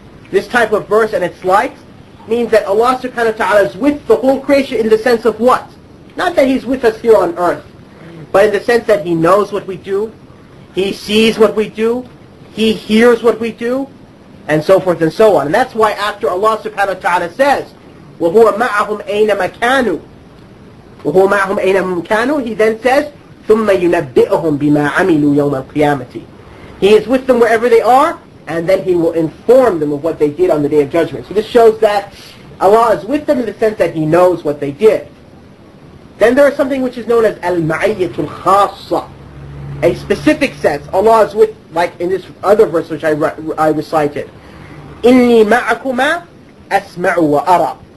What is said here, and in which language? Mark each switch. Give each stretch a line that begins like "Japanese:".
English: This type of verse and its likes means that Allah subhanahu wa ta'ala is with the whole creation in the sense of what? Not that He's with us here on earth, but in the sense that He knows what we do, He sees what we do, He hears what we do, and so forth and so on. And that's why after Allah subhanahu wa ta'ala says,
Arabic: وَهُوَ مَعَهُمْ أَيْنَ مَكَانُوا وهو معهم أينما كانوا,
English: he then says,
Arabic: ثم ينبئهم بما عملوا يوم القيامة.
English: He is with them wherever they are, and then he will inform them of what they did on the Day of Judgment. So this shows that Allah is with them in the sense that he knows what they did. Then there is something which is known as al-ma'iyyah al-khassa, a specific sense. Allah is with, like in this other verse which I recited,
Arabic: إِنِّي مَعَكُمَا أَسْمَعُ وَأَرَى.